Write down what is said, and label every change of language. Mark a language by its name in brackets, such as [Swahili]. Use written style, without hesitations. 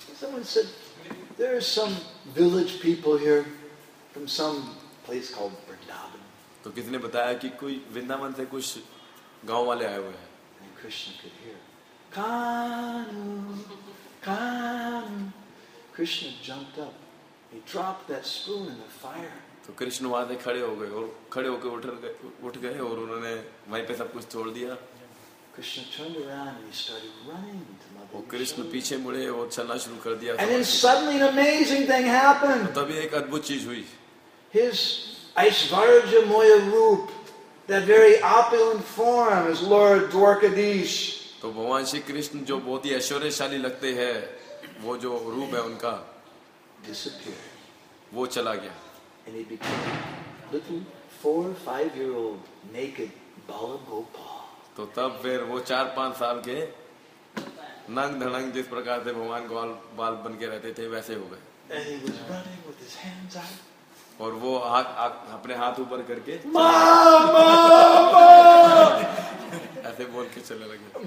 [English] Someone said there are some village people here from some place called Vrindavan. [Hindi] तो किसने बताया कि कोई वृंदावन से कुछ गांव वाले आए हुए हैं? [English] And Krishna could hear. Kanu, Kanu. Krishna jumped up. He dropped that spoon in the fire. [Hindi] तो कृष्ण वहां से खड़े हो गए और खड़े होकर उठ गए और उन्होंने वहीं पे सब कुछ छोड़ दिया. [English] Krishna turned around and he started running to Mother Yashoda. [Hindi] Krishna पीछे मुड़े और चलना शुरू कर दिया. [English] And then suddenly an amazing thing happened. [Hindi] तभी एक अद्भुत चीज हुई. [English] His Aishvarya Moya Roop, that very opulent form, is Lord Dwarkadish. [Hindi] तो भगवान श्री कृष्ण जो बहुत ही ऐश्वर्यशाली लगते हैं, वो जो रूप है उनका, [English] disappeared. [Hindi] वो चला गया. [English] And he became a little 4 or 5 year old naked Balagopal. [Hindi] तो तब फिर वो 4-5 साल के नंग धड़ंग जिस प्रकार से भगवान गोपाल बाल बन के रहते थे वैसे हो गए. और वो अपने हाथ ऊपर करके ऐसे बोल के चलने लगे.